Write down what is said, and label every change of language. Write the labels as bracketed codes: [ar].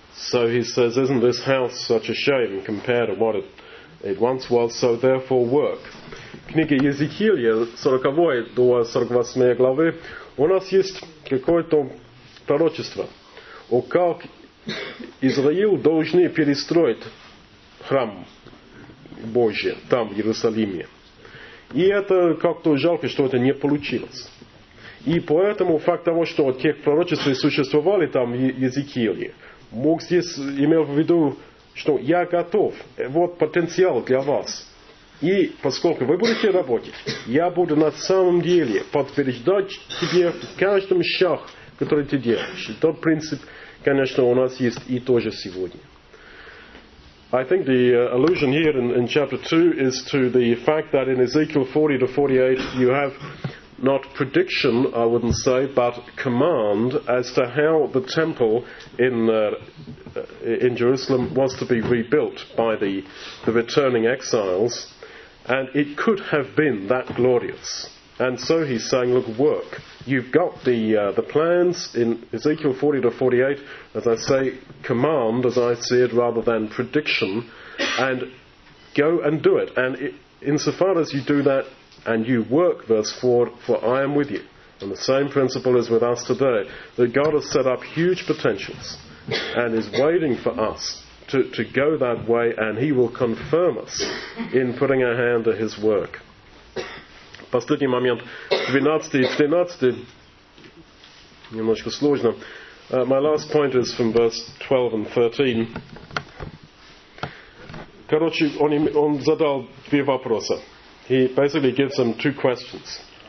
[en] So he says, isn't this house such a shame compared to what it once was, so therefore work. [ru] Книга Езекииля, 40 до 48 главы, у нас есть какое-то пророчество о как Израиль должны перестроить храм Божий там, в Иерусалиме. И это как-то жалко, что это не получилось. И поэтому факт того, что тех пророчеств существовали там в Езекииле, Бог здесь имел в виду, что я готов, вот потенциал для вас. И поскольку вы будете работать, я буду на самом деле подтверждать тебе каждый шаг, который ты делаешь. И тот принцип, конечно, у нас есть и тоже сегодня. [en] I think the allusion here in chapter 2 is to the fact that in Ezekiel 40 to 48 you have not prediction, I wouldn't say, but command as to how the temple in Jerusalem was to be rebuilt by the returning exiles, and it could have been that glorious. And so he's saying, look, work. You've got the plans in Ezekiel 40 to 48, as I say, command, as I see it, rather than prediction, and go and do it. And insofar as you do that, and you work, verse 4, for I am with you. And the same principle is with us today, that God has set up huge potentials and is waiting for us to go that way, and he will confirm us in putting our hand to his work. [ru] Последний момент, 12 и 13, немножко сложно. [en] My last point is from verse 12 and 13. [ru] Короче, он задал две вопроса. [en] He basically gives them two questions.